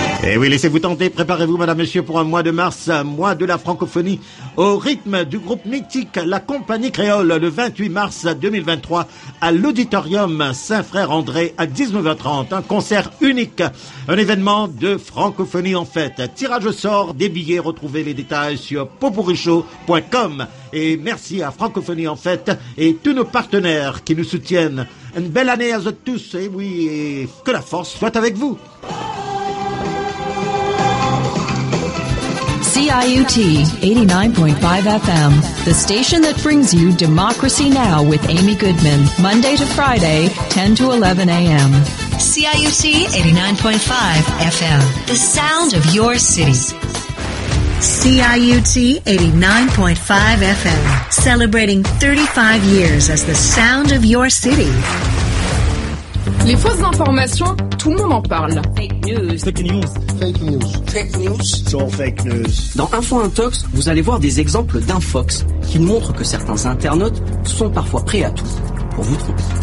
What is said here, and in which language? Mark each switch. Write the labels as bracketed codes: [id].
[fr] Et oui, laissez-vous tenter, préparez-vous, madame, monsieur, pour un mois de mars, un mois de la francophonie, au rythme du groupe mythique La Compagnie Créole, le 28 mars 2023, à l'auditorium Saint-Frère-André, à 19h30, un concert unique, un événement de francophonie en fête. Tirage au sort, des billets, retrouvez les détails sur popourichaud.com. Et merci à Francophonie en fête et tous nos partenaires qui nous soutiennent. Une belle année à tous, et oui, et que la force soit avec vous. [en] CIUT 89.5 FM, the station that brings you Democracy Now! With Amy Goodman, Monday to Friday, 10 to 11 a.m. CIUT 89.5 FM, the sound of your city. CIUT 89.5 FM, celebrating 35 years as the sound of your city. [fr] Les fausses informations, tout le monde en parle. [en] Fake news. [fr] Dans Info Intox, vous allez voir des exemples d'infox qui montrent que certains internautes sont parfois prêts à tout pour vous tromper.